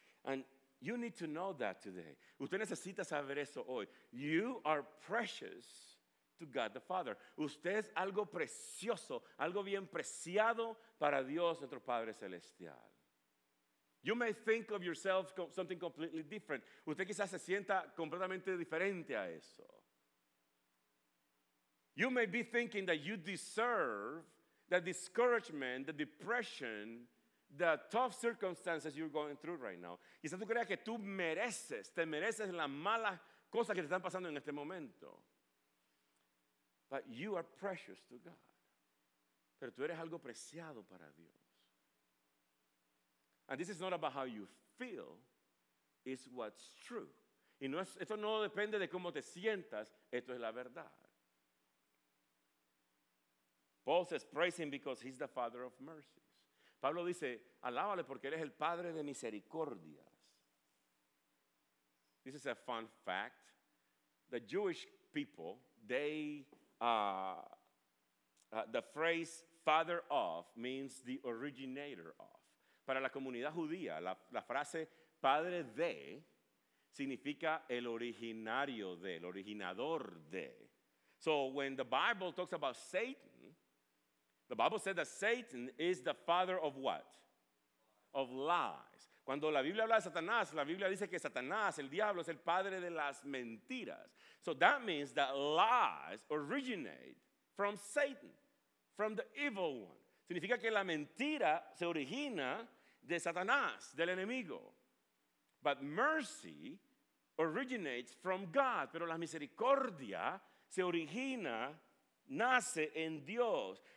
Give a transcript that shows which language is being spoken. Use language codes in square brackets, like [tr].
[en] And you need to know that today. [es] Usted necesita saber eso hoy. [en] You are precious to God the Father. [es] Usted es algo precioso, algo bien preciado para Dios, nuestro Padre Celestial. [en] You may think of yourself something completely different. [es] Usted quizás se sienta completamente diferente a eso. [en] You may be thinking that you deserve the discouragement, the depression, the tough circumstances you're going through right now. [es] Quizás tú creas que tú mereces, te mereces las malas cosas que te están pasando en este momento. [en] But you are precious to God. [es] Pero tú eres algo preciado para Dios. [en] And this is not about how you feel, it's what's true. [es] Y no es, esto no depende de cómo te sientas, esto es la verdad. [en] Paul says, praise him because he's the father of mercy. [es] Pablo dice, alábale porque eres el padre de misericordias. [en] This is a fun fact. The Jewish people, the phrase father of means the originator of. [es] Para la comunidad judía, la frase padre de significa el originario de, el originador de. [en] So when the Bible talks about Satan, the Bible said that Satan is the father of what? Of lies. [es] Cuando la Biblia habla de Satanás, la Biblia dice que Satanás, el diablo, es el padre de las mentiras. [en] So that means that lies originate from Satan, from the evil one. [es] Significa que la mentira se origina de Satanás, del enemigo. [en] But mercy originates from God. [es] Pero la misericordia se origina, nace en Dios.